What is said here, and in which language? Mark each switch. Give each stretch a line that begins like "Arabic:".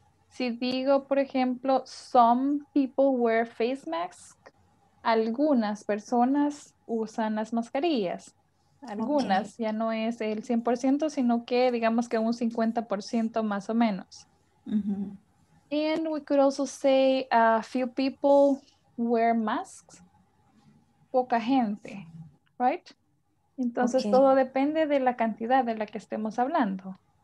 Spanish: Si digo, por ejemplo,
English: some people wear face masks,
Spanish: algunas personas usan las mascarillas. Algunas, okay. Ya no es el 100%, sino que digamos que un 50% más o menos. Mm-hmm.
English: And we could also say a few people wear masks.
Spanish: Poca gente, right? Entonces, okay. Todo depende de la cantidad de la que estemos hablando.